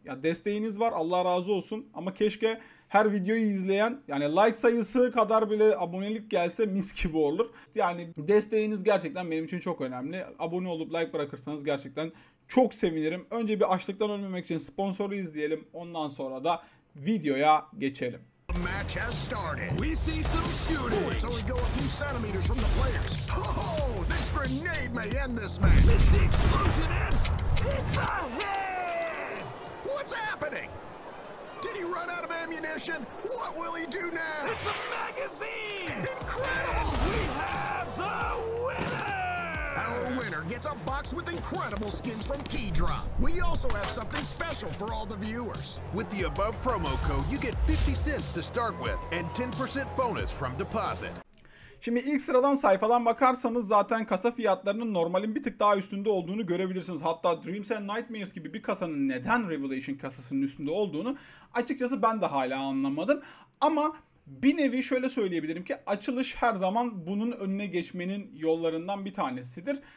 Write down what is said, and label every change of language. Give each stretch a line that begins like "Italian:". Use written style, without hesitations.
Turkish: Ya desteğiniz var, Allah razı olsun. Ama keşke her videoyu izleyen, yani like sayısı kadar bile abonelik gelse mis gibi olur. Yani desteğiniz gerçekten benim için çok önemli. Abone olup like bırakırsanız gerçekten çok sevinirim. Önce bir açlıktan ölmemek için sponsoru izleyelim. Ondan sonra da videoya geçelim.
English: Match has started. We see some shooting. Bullets only go a few centimeters from the players. Ho ho! This grenade may end this match. Is the explosion in? It's a hit! What's happening? Did he run out of ammunition? What will he do now? It's a magazine! Incredible! And we have the winner! Our winner gets a box with incredible skins from Keydrop. We also have something special for all the viewers. With the above promo code, you get 50 cents to start with and 10% bonus from deposit.
Turkish: Şimdi ilk sıradan sayfadan bakarsanız zaten kasa fiyatlarının normalin bir tık daha üstünde olduğunu görebilirsiniz. Hatta Dreams and Nightmares gibi bir kasanın neden Revelation kasasının üstünde olduğunu açıkçası ben de hala anlamadım. Ama bir nevi şöyle söyleyebilirim ki açılış her zaman bunun önüne geçmenin yollarından bir tanesidir.